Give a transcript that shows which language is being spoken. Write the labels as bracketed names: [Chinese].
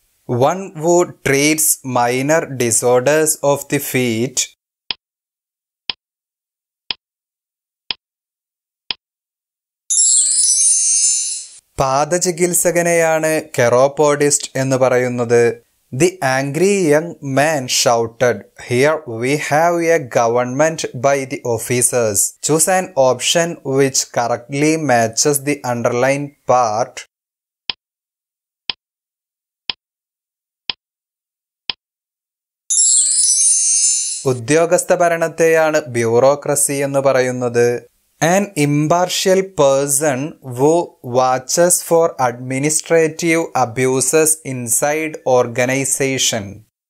[English] One who treats minor disorders of the feet. [Malayalam] പാദചികിത്സകനെയാണ് കെറോപോഡിസ്റ്റ് എന്ന് പറയുന്നത്. [English] The angry young man shouted, "Here we have a government by the officers." Choose an option which correctly matches the underlined part. [Malayalam] ഉദ്യോഗസ്ഥ ഭരണത്തെയാണ് bureaucracy എന്ന് പറയുന്നത്. [English] An impartial person who watches for administrative abuses inside organization.